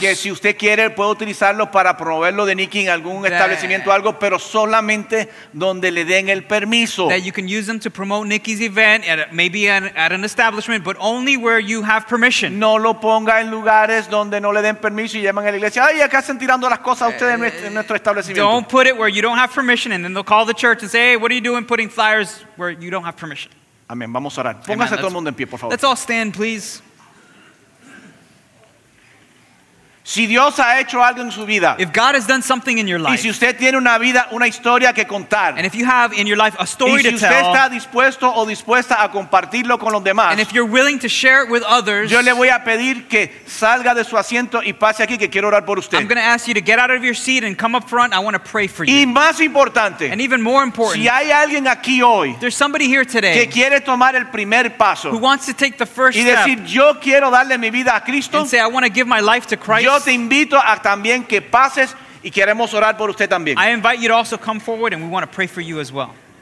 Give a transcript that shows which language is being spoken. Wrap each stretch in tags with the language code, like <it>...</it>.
<es>Que si usted quiere puede utilizarlos para promoverlo de Nicky en algún establecimiento o algo, pero solamente donde le den el permiso.</es> <en>That you can use them to promote Nicky's event at an establishment, but only where you have permission.</en> <es>No lo ponga en lugares donde no le den permiso y llaman a la iglesia. Ay, acá están tirando las cosas ustedes en nuestro establecimiento.</es> <en>Don't put it where you don't have permission, and then they'll call the church and say, hey, what are you doing putting flyers where you don't have permission?</en> <es>Amén. Vamos a orar. Póngase todo el mundo en pie, por favor.</es> <en>Let's all stand, please.</en> <es>Si Dios ha hecho algo en su vida,</es> <en>if God has done something in your life,</en> <es>y si usted tiene una vida, una historia que contar,</es> <en>and if you have in your life a story to tell,</en> <es>y si usted está dispuesto o dispuesta a compartirlo con los demás,</es> <en>and if you're willing to share it with others,</en> <es>yo le voy a pedir que salga de su asiento y pase aquí, que quiero orar por usted.</es> <en>I'm going to ask you to get out of your seat and come up front. I want to pray for you.</en> <es>Y más importante,</es> <en>and even more important,</en> <es>si hay alguien aquí hoy,</es> <en>there's somebody here today,</en> <es>que quiere tomar el primer paso,</es> <en>who wants to take the first</en> <es>y decir</es> <en>step,</en> <es>yo quiero darle mi vida a Cristo,</es> <en>and say I want to give my life to Christ.</en> <es>Te invito a también que pases y queremos orar por usted también.</es> <en>I invite you to also come forward and we want to pray for you as well.</en>